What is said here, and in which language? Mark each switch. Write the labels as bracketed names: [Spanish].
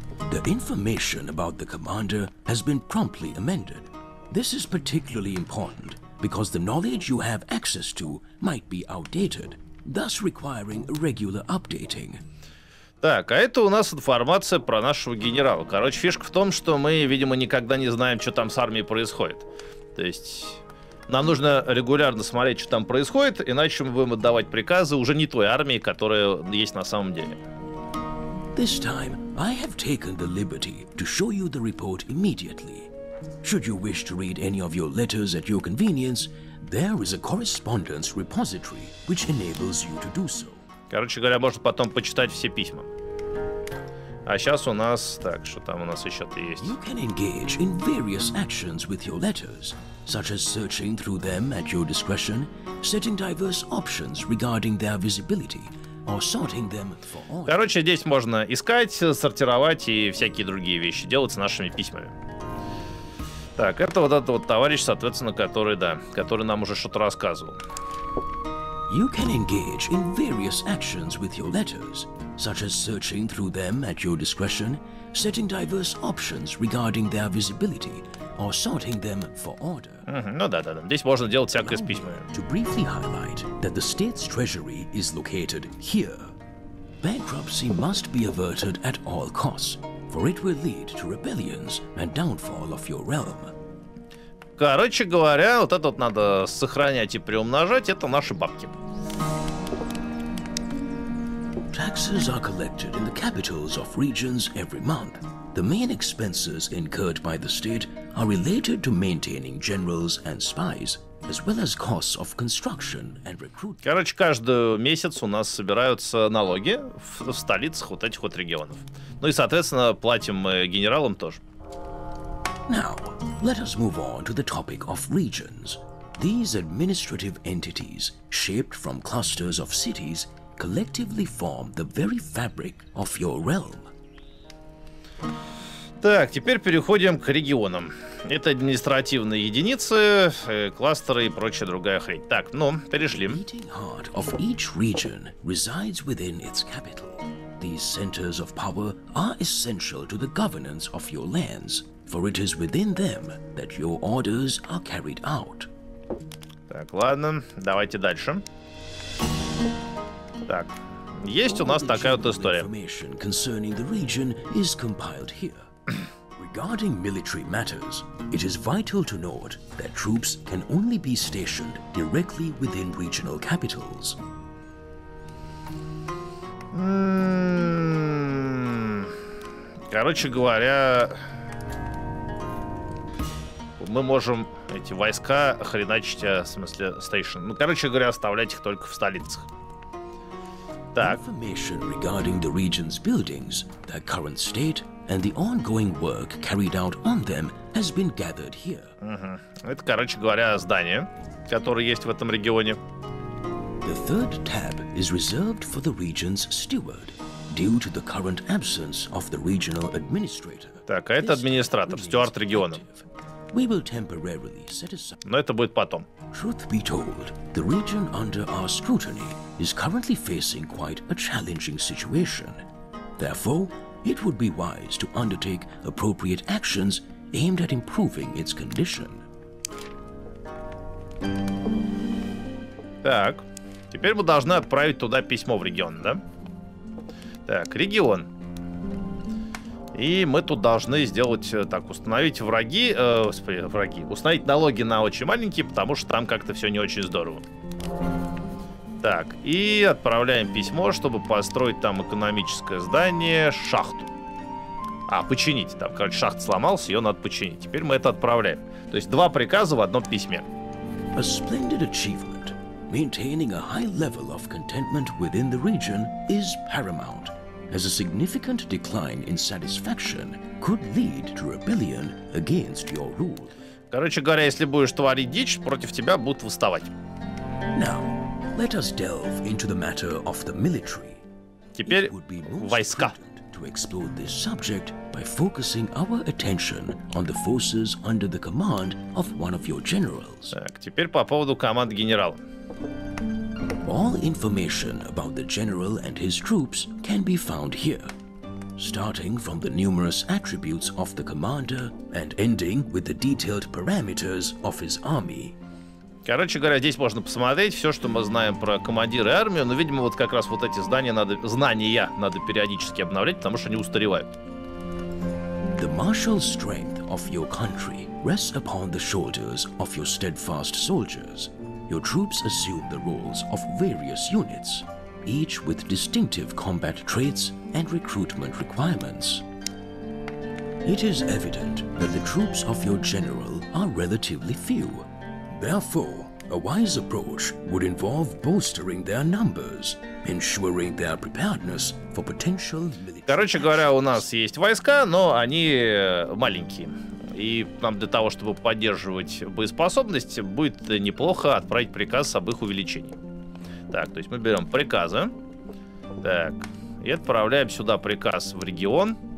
[English] The information about the commander has been promptly amended. This is particularly important, because the knowledge you have access to might be outdated, thus requiring regular updating. [Russian] Так, а это у нас информация про нашего генерала. Короче, фишка в том, что мы, видимо, никогда не знаем, что там с армией происходит. То есть нам нужно регулярно смотреть, что там происходит, иначе мы будем отдавать приказы уже не той армии, которая есть на самом деле. [English] This time I have taken the liberty to show you the report immediately. Should you wish to read any of your letters at your convenience, there is a correspondence repository, which enables you to do so. [Russian] Короче говоря, можно потом почитать все письма. А сейчас у нас... Так, что там у нас еще-то есть? [English] You can engage in various actions with your letters, such as searching through them at your discretion, setting diverse options regarding their visibility, or sorting them for order. [Russian] Короче, здесь можно искать, сортировать и всякие другие вещи делать с нашими письмами. Так, это вот этот вот товарищ, соответственно, который, да, который нам уже что-то рассказывал. [English] You can engage in various actions with your letters, such as searching through them at your discretion, setting diverse options regarding their visibility, or sorting them for order. [Russian] Ну да, да, да. Здесь можно делать всякое с письмами. [English] To briefly highlight that the state's treasury is located here. Bankruptcy must be averted at all costs, for it will lead to rebellions and downfall of your realm. [Russian] Короче говоря, вот это вот надо сохранять и приумножать, это наши бабки. [English] Taxes are collected in the capitals of regions every month. The main expenses incurred by the state are related to maintaining generals and spies, as well as costs of construction and recruitment. [Russian] Короче, каждый месяц у нас собираются налоги в столицах вот этих вот регионов. Ну и, соответственно, платим мы генералам тоже. [English] Now, let us move on to the topic of regions. These administrative entities, shaped from clusters of cities, collectively form the very fabric of your realm. [Russian] Так, теперь переходим к регионам. Это административные единицы, кластеры и прочая другая хрень. Так, ну, перешли. [English] The beating heart of each region resides within its capital. These centers of power are essential to the governance of your lands, for it is within them that your orders are carried out. [Russian] Так, ладно, давайте дальше. Так, есть у нас такая вот история. [English] Information concerning the region is compiled here. Regarding military matters, it is vital to note that troops can only be stationed directly within regional capitals. [Russian] Короче говоря, мы можем эти войска хреначить, в смысле, station. Ну, короче говоря, оставлять их только в столицах. Так. [English] Information regarding the region's buildings, their current state, and the ongoing work carried out on them has been gathered here. [Russian] Это, короче говоря, здание, которое есть в этом регионе. [English] The third tab is reserved for the region's steward. Due to the current absence of the regional administrator. [Russian] Так, а это администратор, стюард региона. [English] We will temporarily set aside. [Russian] Но это будет потом. [English] Truth be told, the region under our scrutiny is currently facing quite a challenging situation. Therefore, it would be wise to undertake appropriate actions aimed at improving its condition. [Russian] Так, теперь мы должны отправить туда письмо в регион, да? Так, регион. И мы тут должны сделать так, установить враги, враги, установить налоги на очень маленькие, потому что там как-то все не очень здорово. Так, и отправляем письмо, чтобы построить там экономическое здание, шахту. А, починить там, короче, шахта сломалась, ее надо починить. Теперь мы это отправляем. То есть два приказа в одном письме. [English] A splendid achievement. Maintaining a high level of contentment within the region is paramount. As a significant decline in satisfaction could lead to rebellion against your rule. [Russian] Короче говоря, если будешь творить дичь, против тебя будут восставать. [English] Now, let us delve into the matter of the military. [Russian] Теперь войска. [English] To explore this subject by focusing our attention on the forces under the command of one of your generals. [Russian] Так, теперь по поводу команд генерала. [English] All information about the general and his troops can be found here, starting from the numerous attributes of the commander and ending with the detailed parameters of his army. [Russian] Короче говоря, здесь можно посмотреть все, что мы знаем про командира и армию, но, видимо, вот как раз вот эти знания надо периодически обновлять, потому что они устаревают. [English] The martial strength of your country rests upon the shoulders of your steadfast soldiers. Your troops assume the roles of various units, each with distinctive combat traits and recruitment requirements. It is evident that the troops of your general are relatively few. Therefore, a wise approach would involve bolstering their numbers, ensuring their preparedness for potential military. [Russian] Короче говоря, у нас есть войска, но они маленькие. И нам для того, чтобы поддерживать боеспособность, будет неплохо отправить приказ об их увеличении. Так, то есть мы берем приказы. Так, и отправляем сюда приказ в регион.